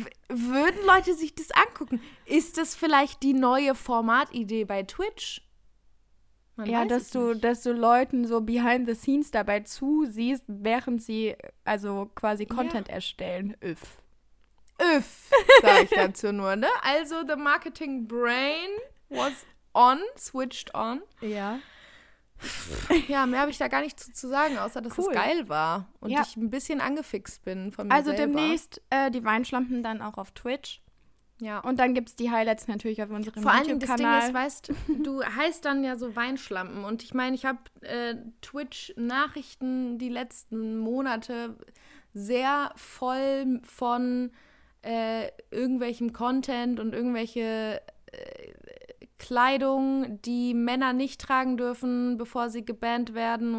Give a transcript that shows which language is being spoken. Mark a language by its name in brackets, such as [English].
[German] Würden Leute sich das angucken? Ist das vielleicht die neue Formatidee bei Twitch? Man ja, dass du Leuten so [English] behind the scenes [German] dabei zusiehst, während sie also quasi Content erstellen. Üff, sag ich dazu nur, ne? [English] Also the marketing brain was switched on. [German] Ja. Ja, mehr habe ich da gar nicht zu sagen, außer dass es geil war und ich ein bisschen angefixt bin von mir also selber. Also demnächst die Weinschlampen dann auch auf Twitch. Ja, und dann gibt es die Highlights natürlich auf unserem YouTube-Kanal. Vor allem das Ding ist, weißt du, heißt dann ja so Weinschlampen. Und ich meine, ich habe Twitch-Nachrichten die letzten Monate sehr voll von irgendwelchem Content und irgendwelche Kleidung, die Männer nicht tragen dürfen, bevor sie gebannt werden.